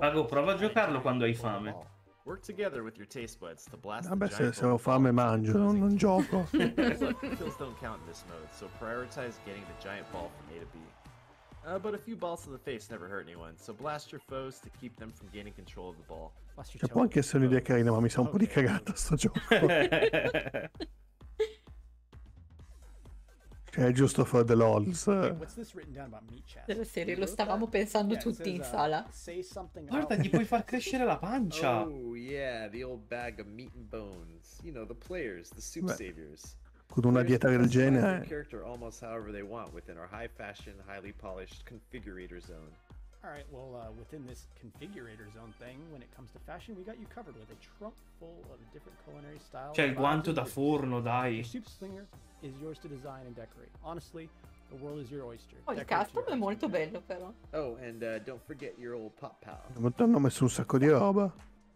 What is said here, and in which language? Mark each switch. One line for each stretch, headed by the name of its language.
Italian: Pago, prova a giocarlo quando hai fame.
English: Work together with your taste buds to blast the giant.
Italian: Vabbè, se ho fame mangio, non gioco.
English: Kills don't count in this mode, so prioritize getting the giant ball from A to B. But a few balls to the face never hurt anyone, so blast your foes to keep them from gaining control of the ball.
Italian: Cioè, può anche essere un'idea carina, ma mi sa un po' di cagata sto gioco. Cioè, è giusto
English: for the lols.
Italian: Deve essere, lo stavamo pensando tutti in sala. Guarda, gli puoi far crescere la pancia.
English: Oh, yeah, the old bag of meat and bones. You know, the players, the super saviors.
Italian: Con una dieta del genere.
English: Almost however they want within our high fashion, highly polished configurator zone. All right, well, within this configurator zone thing, when it comes to fashion, we got you covered with a trunk full of different culinary styles.
Italian: C'è il guanto da forno, dai.
English: Is yours to design and decorate. Honestly, the world is your oyster.
Italian: Oh, il custom è molto bello, però.
English: Oh, and don't forget your old pop pal.
Italian: Ma ti hanno messo un sacco di roba.